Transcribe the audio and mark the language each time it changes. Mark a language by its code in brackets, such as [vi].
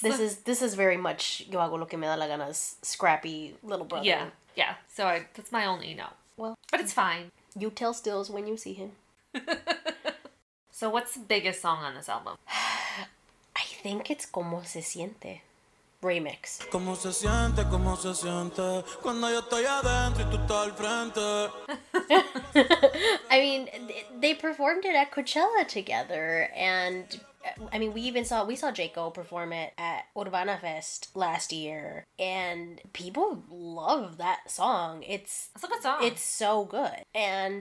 [en] this is very much Yo Hago Lo Que Me Da La Gana's scrappy little brother. Yeah, yeah. So that's my only note. Well, but it's fine. You tell Stills when you see him. So what's the biggest song on this album? I think it's Como Se Siente. Remix. [es] Como se siente, como se siente. Cuando yo estoy adentro y tú estás al frente. [en] I mean, they performed it at Coachella together, and I mean, we saw Jayco perform it at Urbana Fest last year, and people love that song. It's a good song. It's so good. And